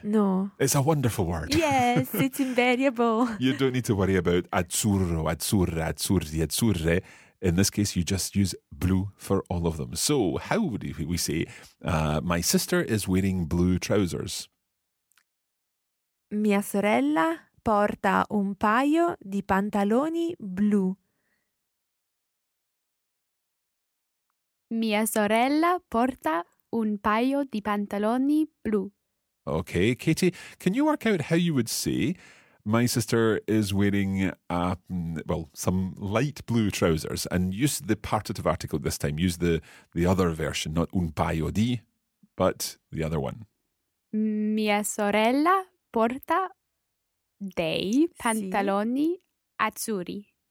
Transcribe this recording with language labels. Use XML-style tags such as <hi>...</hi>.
<en>No. It's a wonderful word. Yes, it's invariable. You don't need to worry about</en> <it>azzurro, azzurra, azzurri, azzurre.</it> <en>In this case, you just use blue for all of them. So how would we say, my sister is wearing blue trousers?</en> <it>Mia sorella porta un paio di pantaloni blu. Mia sorella porta un paio di pantaloni blu.</it> <en>Okay, Katie, can you work out how you would say, my sister is wearing some light blue trousers, and use the partitive article this time. Use the other version, not</en> <it>un paio di,</it> <en>but the other one.</en> <it>Mia sorella porta dei pantaloni azzurri.</it>